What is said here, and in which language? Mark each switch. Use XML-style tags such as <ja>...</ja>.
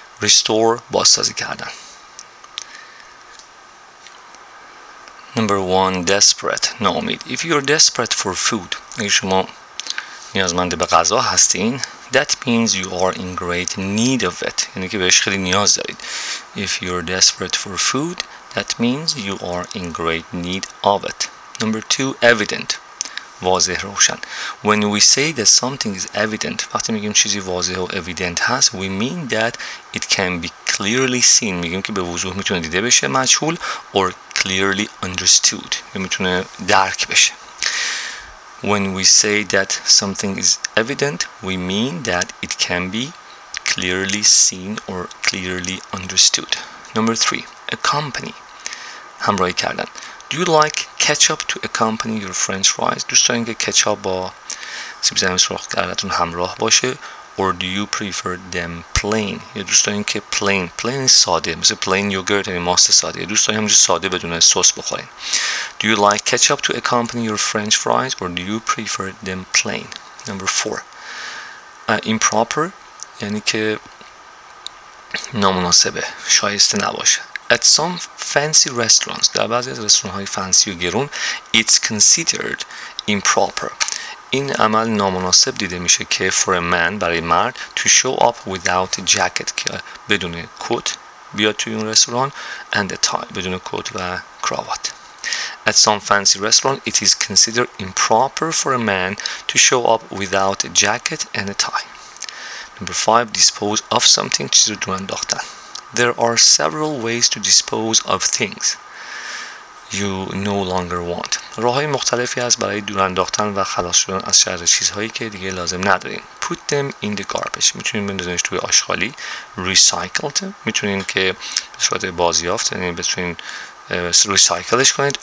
<fa>Restore, بازسازی کردن.</fa> <en>Number one, desperate, ناامید. If you're desperate for food,</en> <fa>اگه شما نیازمند به غذا هستین,</fa> <en>that means you are in great need of it.</en> <fa>یعنی که بهش خیلی نیاز دارید.</fa> <en>If you're desperate for food, that means you are in great need of it. Number two, evident,</en> <fa>واضح روشن.</fa> <en>When we say that something is evident,</en> <fa>وقتی میگیم چیزی واضح و evident هست,</fa> <en>we mean that it can be clearly seen.</en> <fa>میگیم که به وضوح میتونه دیده بشه مجهول,</fa> <en>or clearly understood,</en> <fa>یا میتونه درک بشه.</fa> <en>When we say that something is evident, we mean that it can be clearly seen or clearly understood. Number three, accompany,</en> <fa>همراهی کردن.</fa> <en>Do you like ketchup to accompany your french fries?</en> <fa>دوست دارین که کچاپ با سیب زمینی سرخ کردنتون همراه باشه؟</fa> <en>Or do you prefer them plain?</en> <fa>یا دوست دارین که</fa> <en>plain is</en> <fa>ساده, مثل plain yogurt, یعنی ماست ساده. یا دوست دارین همجور ساده بدون سس بخورین.</fa> <en>Do you like ketchup to accompany your french fries? Or do you prefer them plain? Number four. Improper,</en> <fa>یعنی که نامناسبه, شایسته نباشه.</fa> <en>At some fancy restaurants,</en> <fa>در بعضی از رستوران‌های فنسی و گرون,</fa> <en>it's considered improper.</en> <fa>این عمل نامناسب دیده میشه که</fa> <en>for a man,</en> <fa>برای مرد,</fa> <en>to show up without a jacket,</en> <fa>بدون کت بیاد توی اون رستوران,</fa> <en>and a tie,</en> <fa>بدون کت و کراوات.</fa> <en>At some fancy restaurant, it is considered improper for a man to show up without a jacket and a tie. Number five, dispose of something,</en> <fa>چیز رو دور انداختن.</fa> <en>There are several ways to dispose of things you no longer want.</en> <fa>راه‌های مختلفی هست برای دور انداختن و خلاص شدن از شر چیزهایی که دیگه لازم نداریم.</fa> <en>Put them in the garbage.</en> <fa>میتونین بندازینش توی آشغالی.</fa> <en>Recycled.</en> <fa>میتونین که به صورت بازیافت, یعنی بتونین recycleش کنید.</fa>